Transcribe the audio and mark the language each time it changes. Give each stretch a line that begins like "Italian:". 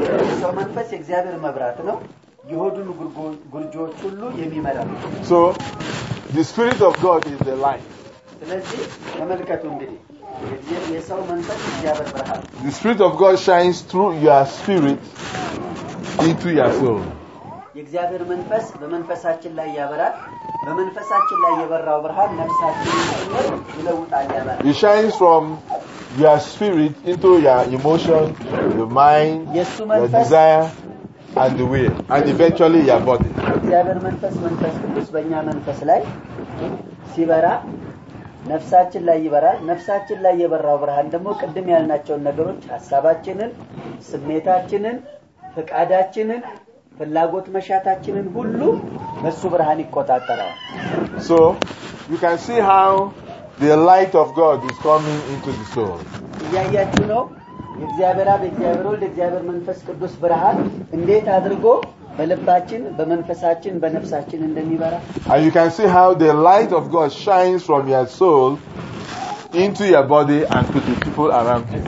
Amharic: የሰው መንፈስ የእግዚአብሔር መብራት ነው የሆዱ ፍርጆች ሁሉ የሚመረምሩ
English: so the spirit of god is the light
Amharic: ስለዚህ ተመልከቱ እንግዲህ የሰው መንፈስ እግዚአብሔር ብርሃን
English: the spirit of god shines through your spirit into your soul.
Amharic: የእግዚአብሔር መንፈስ በመንፈሳችን ላይ ያበራል በመንፈሳችን ላይ የበራው ብርሃን ነፍሳችንን ይለውጣል ያበራል.
English: It shines from your spirit into your emotion, your mind, your desire and the will and eventually your body.
Amharic: የእግዚአብሔር መንፈስ መንፈስ ቅዱስ በእኛ መንፈስ ላይ ሲበራ ነፍሳችን ላይ ይበራል ነፍሳችን ላይ የበራው ብርሃን ደግሞ ቅድም ያልናቸው ነገሮች ሐሳባችንን ስሜታችንን ፈቃዳችንን ፍላጎት መሻታችንን ሁሉ በሱ ብርሃን ይቆጣጠራል.
English: So you can see how the light of God is coming into the soul.
Amharic: ያያችሁ ነው የእግዚአብሔር ወልድ እግዚአብሔር መንፈስ ቅዱስ ብርሃን እንዴት አድርጎ በልባችን በመንፈሳችን በነፍሳችን እንደሚበራ.
English: And you can see how the light of God shines from your soul into your body and to the people around you.